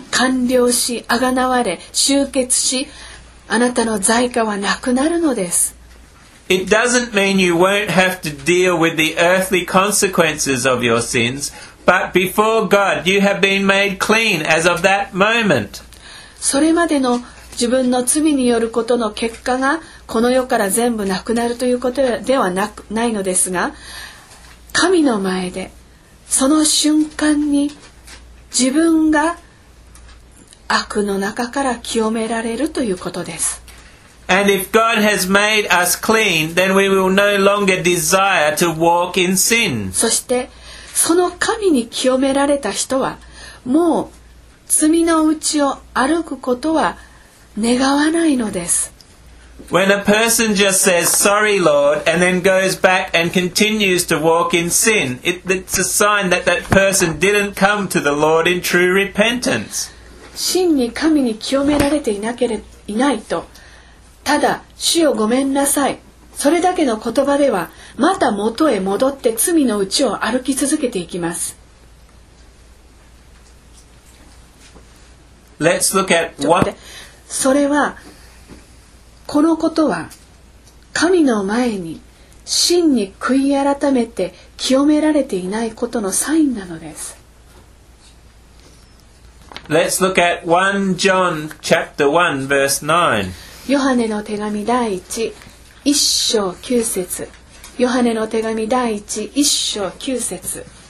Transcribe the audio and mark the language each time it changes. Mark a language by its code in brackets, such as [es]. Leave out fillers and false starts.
[ja] 完了し、あがなわれ、終結し、あなたの罪価はなくなるのです。 [en] It doesn't mean you won't have to deal with the earthly consequences of your sins, but before God, you have been made clean as of that moment. [ja] それまでの自分の罪によることの結果がこの世から全部なくなるということではないのですが、神の前でその瞬間に自分が悪の中から清められるということです。 [en] And if God has made us clean, then we will no longer desire to walk in sin. [ja] そしてその神に清められた人はもう罪の内を歩くことは願わないのです。 [en] When a person just says, sorry, Lord, and then goes back and continues to walk in sin, it's a sign that that person didn't come to the Lord in true repentance. [ja] 真に神に清められていなけれいないと、ただ主よごめんなさい、それだけの言葉ではまた元へ戻って罪の内を歩き続けていきます。 [en] Let's look at what... [ja] それは、このことは神の前に真に悔い改めて清められていないことのサインなのです。 [en] Let's look at 1 John chapter 1 verse 9. [ja] ヨハネの手紙第1、1章9節。ヨハネの手紙第1、1章9節。